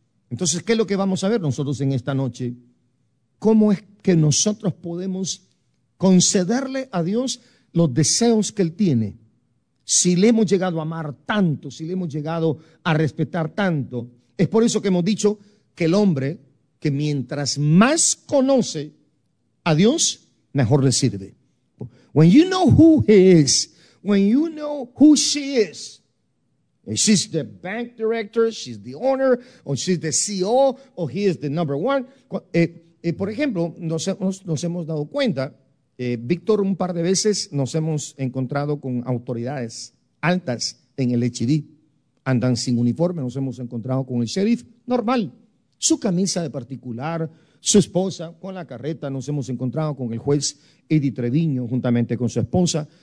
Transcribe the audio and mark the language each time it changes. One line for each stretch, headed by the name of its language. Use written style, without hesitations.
Spanish: Entonces, ¿qué es lo que vamos a ver nosotros en esta noche? ¿Cómo es que nosotros podemos concederle a Dios los deseos que Él tiene? Si le hemos llegado a amar tanto, si le hemos llegado a respetar tanto, es por eso que hemos dicho que el hombre, que mientras más conoce a Dios, mejor le sirve.
English: When you know who he is, when you know who she is, she's the bank director, she's the owner, or she's the CEO, or he is the number one.
Spanish: Por ejemplo, nos hemos dado cuenta. Víctor, un par de veces nos hemos encontrado con autoridades altas en el HED. Andan sin uniforme, nos hemos encontrado con el sheriff, normal. Su camisa de particular, su esposa con la carreta, nos hemos encontrado con el juez Eddie Treviño juntamente con su esposa.